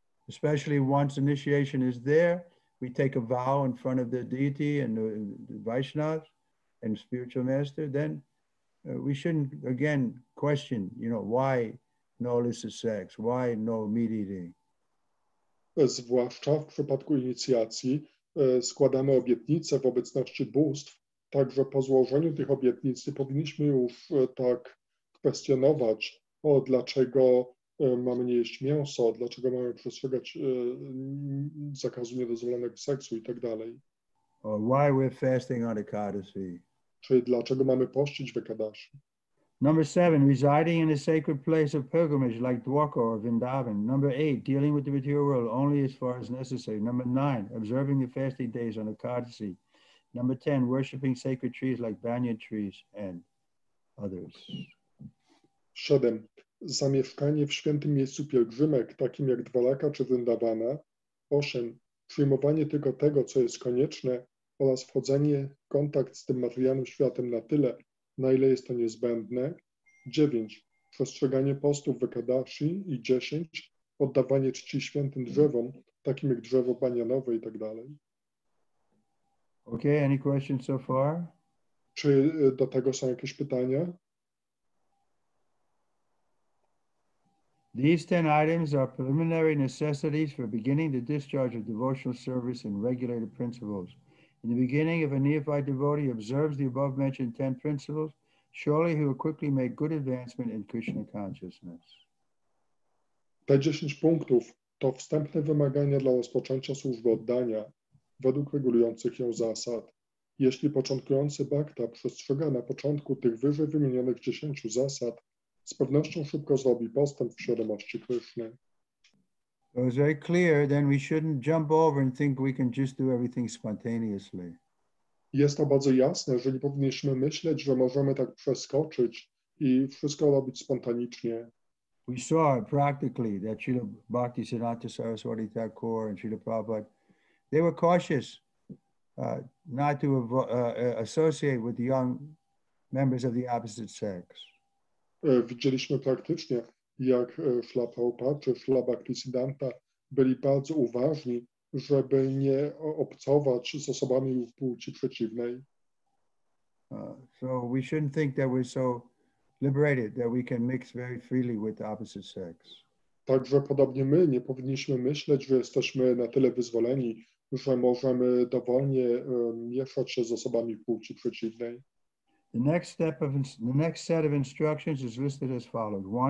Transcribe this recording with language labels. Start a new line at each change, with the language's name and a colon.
English: Especially once initiation is there, we take a vow in front of the deity and the Vaishnavas and spiritual master, then we shouldn't again question, you know, why no illicit sex, why no meat eating.
Polish: Zwłaszcza w przypadku inicjacji składamy obietnice w obecności bóstw, także po złożeniu tych obietnic nie powinniśmy już tak kwestionować, o dlaczego mamy nie jeść mięso, dlaczego mamy przestrzegać zakazu niedozwolonego seksu i tak dalej.
English: Why we're fasting on Ekadasi.
Polish: Czyli dlaczego mamy pościć w Ekadasi.
English: Number 7, residing in a sacred place of pilgrimage like Dwarka or Vrindavan. Number 8, dealing with the material world only as far as necessary. Number 9, observing the fasting days on Ekadasi. Number 10, worshipping sacred trees like banyan trees and others.
Polish: 7. Zamieszkanie w świętym miejscu pielgrzymek, takim jak Dwaraka czy Vrindavana. 8. Przyjmowanie tylko tego, co jest konieczne oraz wchodzenie w kontakt z tym materialnym światem na tyle, na ile jest to niezbędne. 9. Przestrzeganie postów w Ekadasi i 10. Oddawanie czci świętym drzewom, takim jak drzewo banianowe i tak dalej.
English: Okay, any questions so far?
Polish: Czy do tego są jakieś pytania?
English: These 10 items are preliminary necessities for beginning the discharge of devotional service in regulated principles. In the beginning, if a neophyte devotee observes the above mentioned 10 principles, surely he will quickly make good advancement in Krishna consciousness.
Polish: Te 10 punktów to wstępne wymagania dla rozpoczęcia służby oddania według regulujących ją zasad. Jeśli początkujący bhakta przestrzega na początku tych wyżej wymienionych 10 zasad, z pewnością szybko zrobi postęp w świadomości Kryszny.
English: So it's very clear, then we shouldn't jump over and think we can just do everything spontaneously.
Polish: Jest to bardzo jasne, że nie powinniśmy myśleć, że możemy tak przeskoczyć i wszystko robić spontanicznie.
English: We saw practically that Srila Bhakti Siddhanta Saraswati Thakur and Srila Prabhupada, they were cautious not to associate with the young members of the opposite sex.
Polish: Widzieliśmy praktycznie, jak Śla Prabhupada czy Śla Bhakti Siddhanta byli bardzo uważni, żeby nie obcować z osobami płci przeciwnej.
English: So we shouldn't think that we're so liberated that we can mix very freely with the opposite sex.
Polish: Także podobnie my nie powinniśmy myśleć, że jesteśmy na tyle wyzwoleni, że możemy dowolnie mieszać się z osobami płci przeciwnej.
English: The next set of instructions is listed as follows.